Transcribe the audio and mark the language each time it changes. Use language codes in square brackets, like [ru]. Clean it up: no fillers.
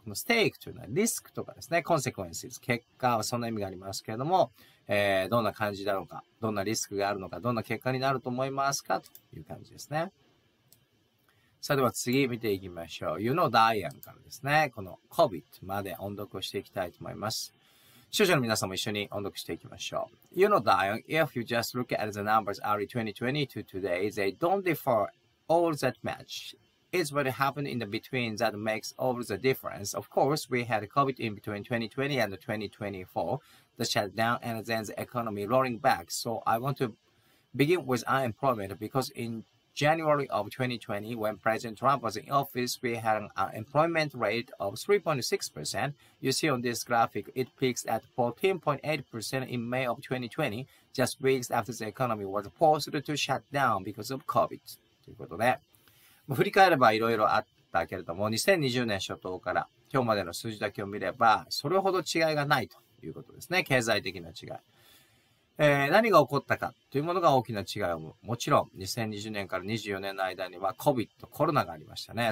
[ja] このステークというのはリスクとかですね、コンセクエンシス、結果はそんな意味がありますけれども、どんな感じだろうか、どんなリスクがあるのか、どんな結果になると思いますかという感じですね。さあ、では次見ていきましょう。 [en] You know Diane [ja] からですね、この COVID まで音読をしていきたいと思います。視聴者の皆さんも一緒に音読していきましょう。 [en] You know, Diane, if you just look at the numbers early 2020 to today, they don't differ all that much. It's what happened in the between that makes all the difference. Of course, we had COVID in between 2020 and 2024, the shutdown and then the economy rolling back. So I want to begin with unemployment because in January of 2020, when President Trump was in office, we had an unemployment rate of 3.6%. You see on this graphic, it peaks at 14.8% in May of 2020, just weeks after the economy was forced to shut down because of COVID. [ja] ということで、振り返ればいろいろあったけれども、2020年初頭から今日までの数字だけを見れば、それほど違いがないということですね。経済的な違い。何が起こったかというものが大きな違いを生む。もちろん2020年から24年の間には COVID、コロナがありましたね。